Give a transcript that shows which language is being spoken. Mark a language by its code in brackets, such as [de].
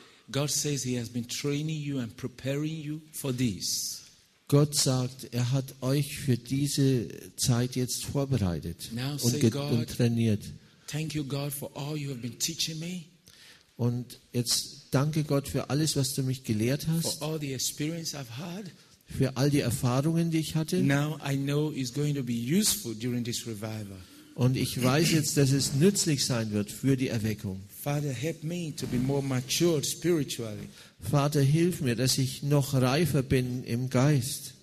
[en] God says he has been training you and preparing you for this. [de] Gott sagt, er hat euch für diese Zeit jetzt vorbereitet und trainiert. [en] Thank you, God, for all you have been teaching me. [de] Und jetzt danke Gott für alles, was du mich gelehrt hast. [en] For all the experience I've had. [de] Für all die Erfahrungen, die ich hatte. [en] Now I know it's going to be useful during this revival. [de] Und ich weiß jetzt, dass es nützlich sein wird für die Erweckung. [en] Father, help me to be more matured spiritually. [de] Vater, hilf mir, dass ich noch reifer bin im Geist.